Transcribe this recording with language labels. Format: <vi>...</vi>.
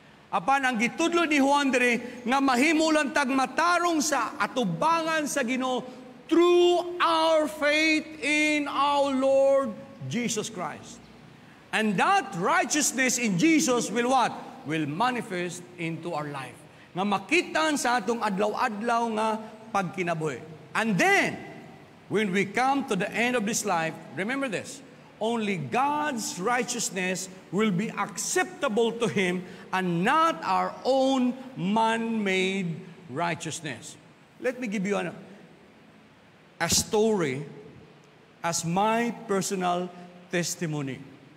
<ceb>Apan ang gitudlo ni Juan diri nga mahimo lang tag matarong sa atubangan sa Ginoo</ceb> <en>through our faith in our Lord Jesus Christ. And that righteousness in Jesus will what? Will manifest into our life.</en> <ceb>nga makita sa atong adlaw-adlaw nga pagkinabuhi.</ceb> <en>And then, when we come to the end of this life, remember this, only God's righteousness will be acceptable to Him and not our own man-made righteousness. Let me give you a story as my personal testimony.</en>